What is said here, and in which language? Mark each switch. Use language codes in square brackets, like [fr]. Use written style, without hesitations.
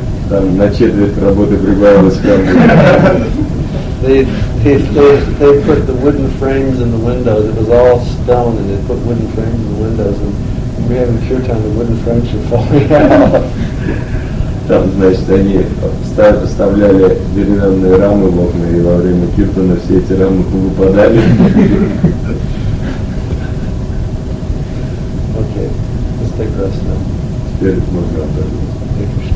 [ru] Там на четверть работы прибавилось к храму. [en] They put the wooden frames in the windows. It was all stone, and they put wooden frames in the windows. And we had a sure time the wooden frames were falling out. [ru] Там, значит, они вставляли деревянные рамы в окна, и во время киртана все эти рамы повыпадали. [en] Окей, take rest now. [ru] Теперь можно отдохнуть.